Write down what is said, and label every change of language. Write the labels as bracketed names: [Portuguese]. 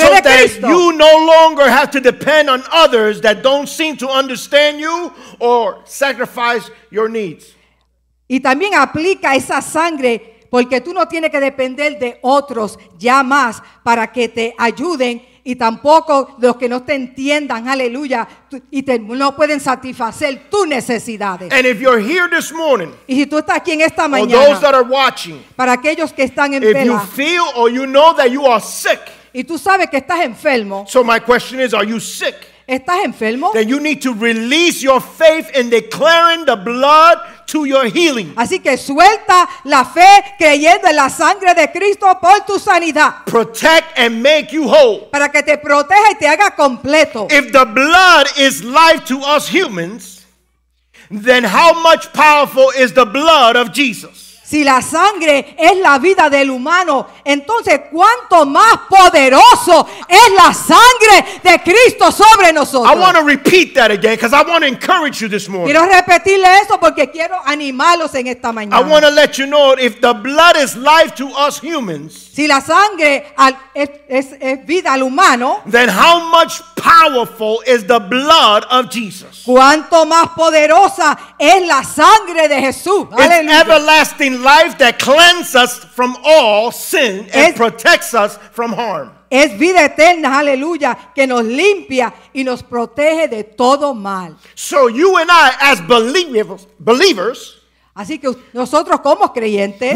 [English] so [Spanish] de [English] that [Spanish] Cristo. [English] You no longer have to depend on others that don't seem to understand you or sacrifice your needs. [Spanish] Y también aplica esa sangre porque tú no tienes que depender de otros ya más para que te ayuden. Y tampoco los que no te entiendan, aleluya, y te, no pueden satisfacer tus necesidades. [English] And if you're here this morning, [Spanish] y si tú estás aquí en esta mañana, [English] those that are watching, [Spanish] para aquellos que están en vela, [English] if you feel or you know that you are sick, [Spanish] y tú sabes que estás enfermo, [English] so my question is, are you sick? [Spanish] ¿Estás enfermo? [English] Then you need to release your faith in declaring the blood to your healing. [Spanish] Así que suelta la fe creyendo en la sangre de Cristo por tu sanidad. [English] Protect and make you whole. [Spanish] Para que te proteja y te haga completo. [English] If the blood is life to us humans, then how much powerful is the blood of Jesus? [Spanish] Si la sangre es la vida del humano, entonces cuánto más poderoso es la sangre de Cristo sobre nosotros. [English] I want to repeat that again because I want to encourage you this morning. [Spanish] Quiero repetirle eso porque quiero animarlos en esta mañana. [English] I want to let you know if the blood is life to us humans. [Spanish] Si la sangre es vida al humano, [English] then how much powerful is the blood of Jesus? [Spanish] Cuánto más poderosa es la sangre de Jesús. [English] It's everlasting life that cleanses us from all sin and protects us from harm. [Spanish] Es vida eterna, aleluya, que nos limpia y nos protege de todo mal. [English] So you and I, as believers, [Spanish] así que nosotros como creyentes,